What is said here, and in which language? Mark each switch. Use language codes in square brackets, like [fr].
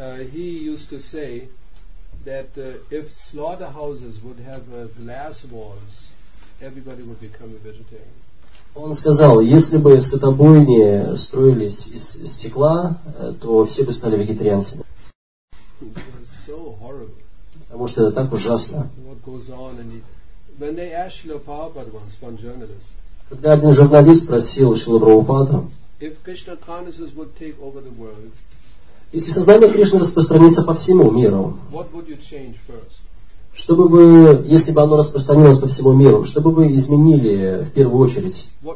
[en] He used to say that if slaughterhouses would have glass walls, everybody would become a vegetarian. [ru] Он сказал, если бы скотобойни строились из стекла, то все бы стали вегетарианцами. [en] So horrible. [ru] Потому что это так ужасно. [en] What goes on in the... When they asked Srila Prabhupada once, one journalist, [ru] когда один журналист спросил Шрилу Прабхупаду, [en] if Krishna consciousness would take over the world, [ru] если сознание Кришны распространится по всему миру, [en] what would you change first? [ru] Чтобы вы, если бы оно распространилось по всему миру, что бы вы изменили в первую очередь?